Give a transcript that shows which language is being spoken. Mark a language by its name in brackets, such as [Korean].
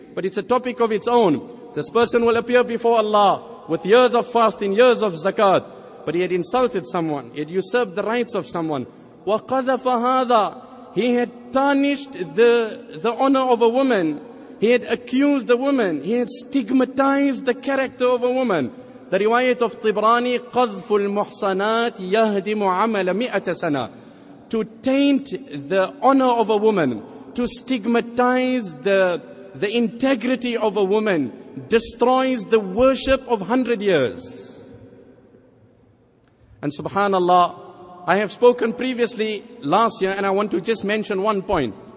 [English] But it's a topic of its own. This person will appear before Allah with years of fasting, years of zakat. But he had insulted someone. He had usurped the rights of someone. [Arabic] وَقَذَفَ هَذَا. [English] He had tarnished the honor of a woman. He had accused the woman. He had stigmatized the character of a woman. [Arabic] The riwayat of Tibrani, قَذْفُ الْمُحْصَنَاتِ يَهْدِمُ عَمَلَ مِئَةَ سَنَةَ. [English] To taint the honor of a woman, to stigmatize the integrity of a woman, destroys the worship of 100 years. And subhanallah, I have spoken previously last year, and I want to just mention one point.